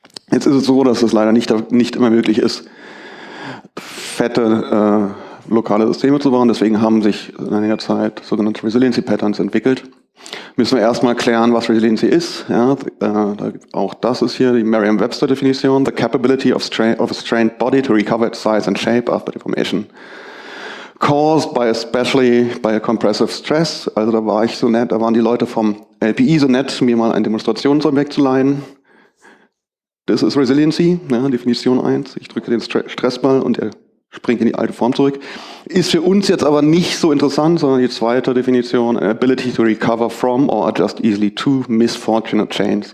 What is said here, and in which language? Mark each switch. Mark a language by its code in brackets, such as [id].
[de] Jetzt ist es so, dass es leider nicht immer möglich ist, fette lokale Systeme zu bauen. Deswegen haben sich in einiger Zeit sogenannte Resiliency Patterns entwickelt. Müssen wir erstmal klären, was Resiliency ist. Ja, auch das ist hier die Merriam-Webster-Definition. [en] The capability of a strained body to recover its size and shape after deformation. Caused by especially by a compressive stress. [de] Also da war ich so nett, da waren die Leute vom LPI so nett, mir mal ein Demonstrationsobjekt zu leihen. Das ist Resiliency, ja, Definition 1. Ich drücke den Stressball und er springt in die alte Form zurück. Ist für uns jetzt aber nicht so interessant, sondern die zweite Definition, [en] ability to recover from or adjust easily to misfortune or change.